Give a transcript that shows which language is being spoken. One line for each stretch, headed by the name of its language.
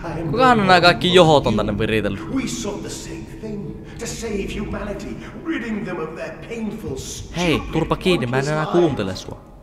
Finnish: Kukahan on nää kaikki johot on tänne viritellyt?
English: We saw the same thing, to save humanity, ridding them of their painful stupid.
Finnish: Hei, turpa kiinni, mä en enää kuuntele sua.